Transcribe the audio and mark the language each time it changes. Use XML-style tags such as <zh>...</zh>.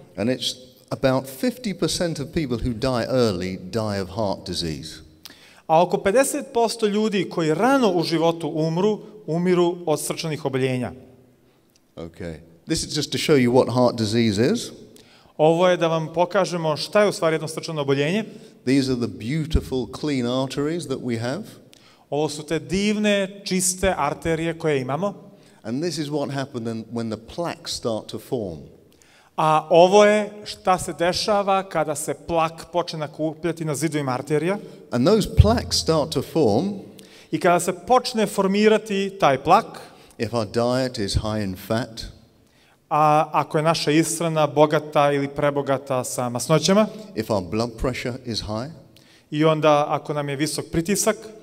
<en>And it's about 50% of people who die early die of heart disease.</en> <bs>A oko 50% ljudi koji rano u životu umru, umiru od srčanih oboljenja.</bs> <en>Okay. This is just to show you what heart disease is.</en> <bs>Ovo je da vam pokažemo šta je u stvari jedno srčano oboljenje.</bs> <en>These are the beautiful clean arteries that we have.</en> <bs>Ovo su te divne, čiste arterije koje imamo.</bs> <en>And this is what happens when the plaques start to form.</en> <bs>A ovo je šta se dešava kada se plak počne nakupljati na zidovima arterija.</bs> <en>And those plaques start to form.</en> <bs>I kada se počne formirati taj plak.</bs> <en>If our diet is high in fat.</en> <bs>A ako je naša ishrana bogata ili prebogata sa masnoćama.</bs> <en>If our blood pressure is high.</en> <bs>I onda ako nam je visok pritisak.</bs>